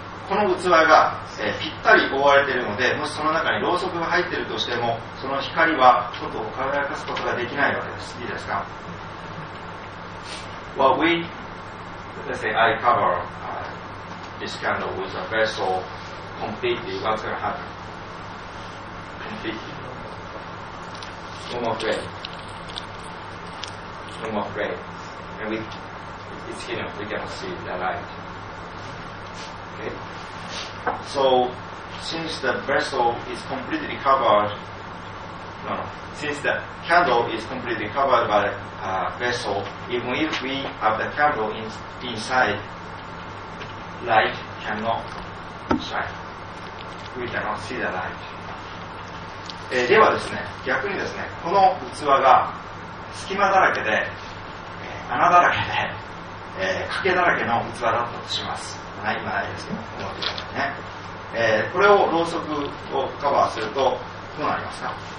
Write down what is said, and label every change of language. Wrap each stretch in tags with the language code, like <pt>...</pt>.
<ja>この器が、ぴったり覆われているので、もしその中にろうそくが入っているとしても、その光はちょっと輝かすことができないわけです。いいですか？</ja> <en>Well, we let's say I cover、this candle with a vessel completely, what's going to happen? Completely. No more flame. No more flame. And we. It's hidden. We cannot see the light. Okay. So, since the vessel is completely covered, since the candle is completely covered by the vessel, even if we have the candle inside, light cannot shine. We cannot see the light.</en> <ja>ではですね、逆にですね、この器が隙間だらけで、穴だらけで、欠けだらけの器だったとします。はい、今ないですけど、ね、これをろうそくをカバーするとどうなりますか？</ja>